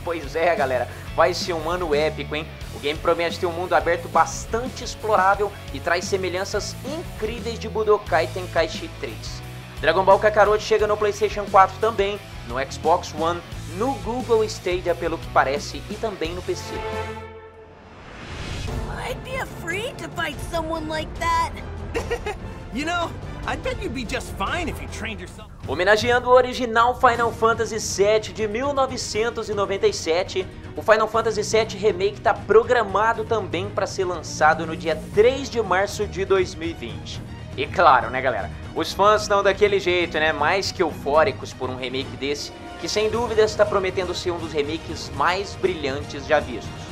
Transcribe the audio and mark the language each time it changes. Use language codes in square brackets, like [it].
[pt] Pois é, galera, vai ser um ano épico, hein? O game promete ter um mundo aberto bastante explorável e traz semelhanças incríveis de Budokai Tenkaichi 3. Dragon Ball Kakarot chega no PlayStation 4 também, no Xbox One, no Google Stadia, pelo que parece, e também no PC. [en] I'd be afraid to fight someone like that. You know, I bet you'd be just fine if you trained yourself. [pt] Homenageando o original Final Fantasy VII de 1997, o Final Fantasy VII Remake está programado também para ser lançado no dia 3 de março de 2020. E claro, né galera, os fãs estão daquele jeito, né, mais que eufóricos por um remake desse, que sem dúvida está prometendo ser um dos remakes mais brilhantes já vistos.